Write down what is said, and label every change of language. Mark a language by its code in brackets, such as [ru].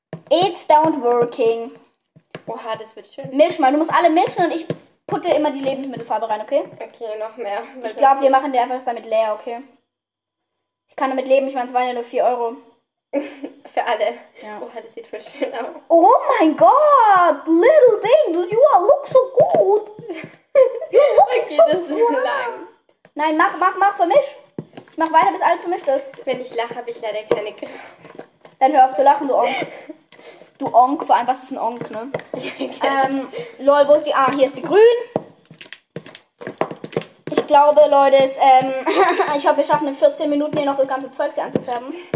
[en] It's don't working. [de] Oha, das wird schön. Misch mal, du musst alle mischen und ich putte immer die Lebensmittelfarbe rein, okay? Okay, noch mehr. Ich glaube, wir machen dir einfach damit leer, okay? Ich kann damit leben, ich meine, es waren ja nur 4 Euro. Für alle. Ja. Oh, das sieht voll schön aus. [en] Oh mein Gott, little thing, you look so good. You look okay, so [de] das ist lang. Nein, mach, vermisch. Ich mach weiter, bis alles vermischt ist. Wenn ich lache, habe ich leider keine Kraft. Dann hör auf zu lachen, du Onk. Du Onk, vor allem, was ist ein Onk, ne? Lol, wo ist die? Ah, hier ist die grün. Ich glaube, Leute, ich hoffe, wir schaffen in 14 Minuten hier noch das ganze Zeug hier anzufärben.